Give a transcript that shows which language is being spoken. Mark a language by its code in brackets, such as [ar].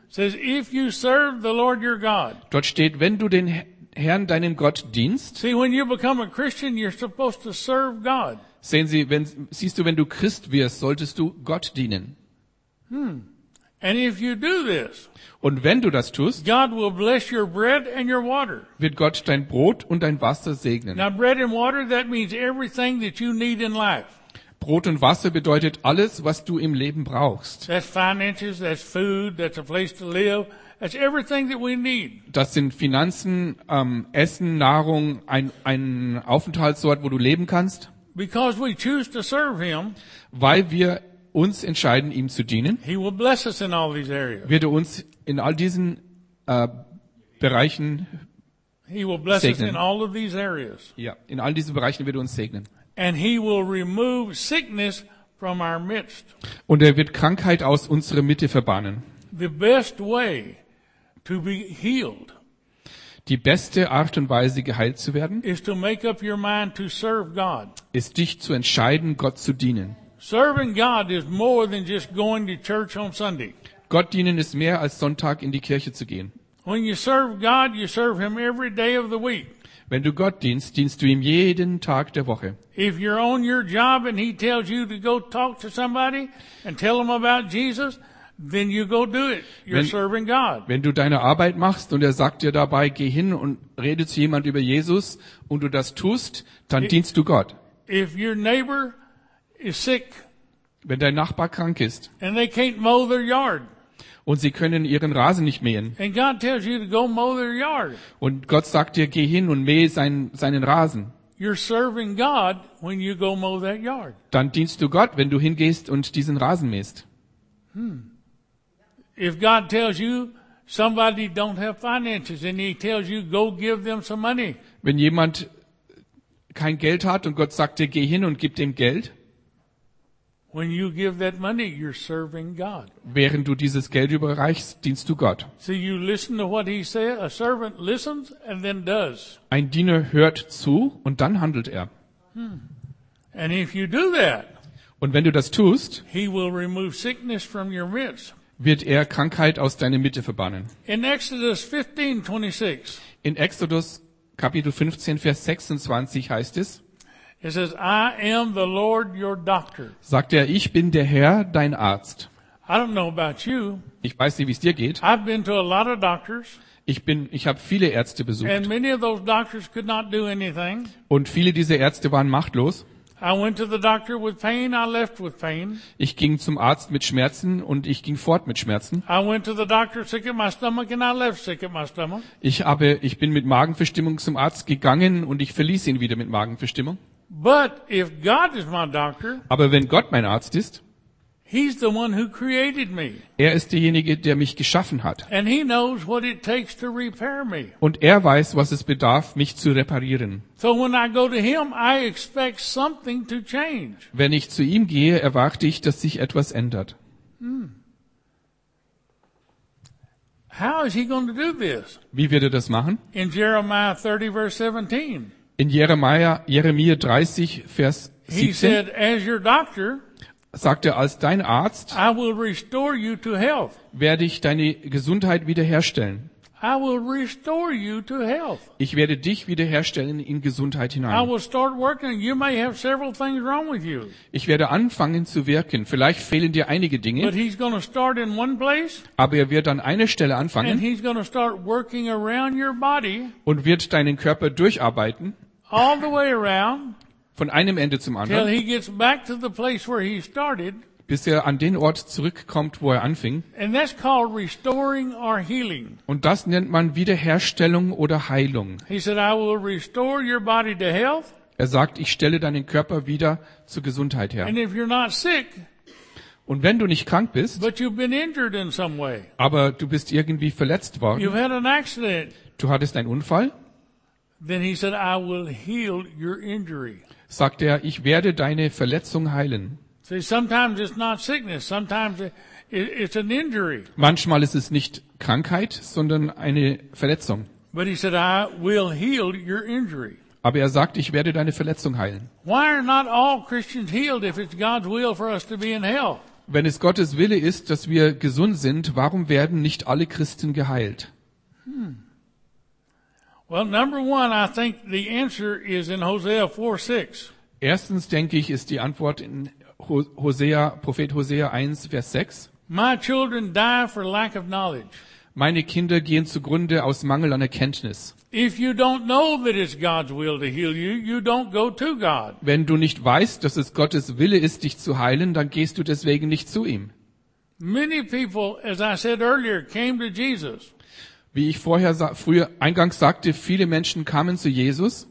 [en] Says, if you serve the Lord your God. [de] Dort steht, wenn du den Herrn deinem Gott dienst. [en] See, when you become a Christian, you're supposed to serve God. [de] Sehen Sie, wenn du Christ wirst, solltest du Gott dienen. [en] Hmm. And if you do this, [de] und wenn du das tust, [en] God will bless your bread and your water. [de] Wird Gott dein Brot und dein Wasser segnen. [en] Now, bread and water, that means everything that you need in life. [de] Brot und Wasser bedeutet alles, was du im Leben brauchst. [en] That's finances, that's food, that's a place to live. That's everything that we need. [de] Das sind Finanzen, Essen, Nahrung, ein Aufenthaltsort, wo du leben kannst. [en] Because we choose to serve him, [de] weil wir uns entscheiden, ihm zu dienen, [en] he will bless us in all these areas. [de] Wird er uns in all diesen Bereichen [en] He will bless [de] segnen. [en] Us in all of these areas. [de] Ja, in all diesen Bereichen wird er uns segnen. [en] And he will remove sickness from our midst. [de] Und er wird Krankheit aus unserer Mitte verbannen. [en] The best way to be healed. [de] Die beste Art und Weise, geheilt zu werden, [en] is to make up your mind to serve God. [de] Ist dich zu entscheiden, Gott zu dienen. [en] Serving God is more than just going to church on Sunday. [de] Gott dienen ist mehr als Sonntag in die Kirche zu gehen. [en] When you serve God, you serve him every day of the week. [de] Wenn du Gott dienst, dienst du ihm jeden Tag der Woche. [en] If you're on your job and he tells you to go talk to somebody and tell them about Jesus, then you go do it. You're serving God. [de] Wenn du deine Arbeit machst und er sagt dir dabei, geh hin und rede zu jemand über Jesus und du das tust, dann dienst du Gott. [en] If your neighbor is sick, [de] wenn dein Nachbar krank ist, [en] and they can't mow their yard, [de] und sie können ihren Rasen nicht mähen. [en] And God tells you to go mow their yard. [de] Und Gott sagt dir, geh hin und mähe seinen Rasen. [en] You're serving God when you go mow that yard. [de] Dann dienst du Gott, wenn du hingehst und diesen Rasen mähst. [en] If God tells you somebody don't have finances and he tells you go give them some money. [de] Wenn jemand kein Geld hat und Gott sagt dir, geh hin und gib dem Geld. [en] When you give that money, you're serving God. [de] Während du dieses Geld überreichst, dienst du Gott. [en] See, you listen to what he says. A servant listens and then does. [de] Ein Diener hört zu und dann handelt er. [en] And if you do that, [de] und wenn du das tust, [en] he will remove sickness from your midst. [de] Wird er Krankheit aus deiner Mitte verbannen. [en] In Exodus 15, 26. [de] In Exodus Kapitel 15, Vers 26 heißt es. [en] It says, I am the Lord your doctor. [de] Sagt er, ich bin der Herr, dein Arzt. [en] I don't know about you. [de] Ich weiß nicht, wie es dir geht. [en] I've been to a lot of doctors. [de] Ich habe viele Ärzte besucht. [en] And many of those doctors could not do anything. [de] Und viele dieser Ärzte waren machtlos. [en] I went to the doctor with pain, I left with pain. [de] Ich ging zum Arzt mit Schmerzen und ich ging fort mit Schmerzen. [en] I went to the doctor sick at my stomach and I left sick at my stomach. [de] Ich bin mit Magenverstimmung zum Arzt gegangen und ich verließ ihn wieder mit Magenverstimmung. [en] But if God is my doctor, [de] aber wenn Gott mein Arzt ist, [en] he's the one who created me. [de] Er ist derjenige, der mich geschaffen hat. [en] And he knows what it takes to repair me. [de] Und er weiß, was es bedarf, mich zu reparieren. [en] So when I go to him, I expect something to change. [de] Wenn ich zu ihm gehe, erwarte ich, dass sich etwas ändert. [en] How is he going to do this? [de] Wie wird er das machen? [en] In Jeremiah 30, verse 17. [de] In Jeremia 30, Vers 17 [en] he said, as your doctor, [de] sagt er, als dein Arzt [en] I will restore you to health. [de] Werde ich deine Gesundheit wiederherstellen. [en] I will restore you to health. [de] Ich werde dich wiederherstellen in Gesundheit hinein. [en] I will start working. You may have several things wrong with you. [de] Ich werde anfangen zu wirken. Vielleicht fehlen dir einige Dinge. [en] But he's going to start in one place. [de] Aber er wird an einer Stelle anfangen. [en] And he's going to start working around your body. [de] Und wird deinen Körper durcharbeiten. [en] All the way around. [de] Von einem Ende zum anderen. [en] Till he gets back to the place where he started. [de] Bis er an den Ort zurückkommt, wo er anfing. [en] And that's called restoring or healing. [de] Und das nennt man Wiederherstellung oder Heilung. [en] He said, I will restore your body to health. [de] Er sagt, ich stelle deinen Körper wieder zur Gesundheit her. [en] And if you're not sick, [de] und wenn du nicht krank bist, [en] but you've been injured in some way, [de] aber du bist irgendwie verletzt worden, [en] you've had an accident, [de] du hattest einen Unfall, [en] then he said, I will heal your injury. [de] Sagt er, ich werde deine Verletzung heilen. [en] See, sometimes it's not sickness. Sometimes it's an injury. [de] Manchmal ist es nicht Krankheit, sondern eine Verletzung. [en] But he said, I will heal your injury. [de] Aber er sagt, ich werde deine Verletzung heilen. [en] Why are not all Christians healed if it's God's will for us to be in hell? [de] Wenn es Gottes Wille ist, dass wir gesund sind, warum werden nicht alle Christen geheilt? [en] Well, number one, I think the answer is in Hosea 4:6. [de] Erstens denke ich, ist die Antwort in Prophet Hosea 1, Vers 6. [en] My children die for lack of knowledge. [de] Meine Kinder gehen zugrunde aus Mangel an Erkenntnis. [en] If you don't know that it's God's will to heal you, you don't go to God. [de] Wenn du nicht weißt, dass es Gottes Wille ist, dich zu heilen, dann gehst du deswegen nicht zu ihm. [en] Many people, as I said earlier, came to Jesus. [de] Wie ich vorher früher eingangs sagte, viele Menschen kamen zu Jesus.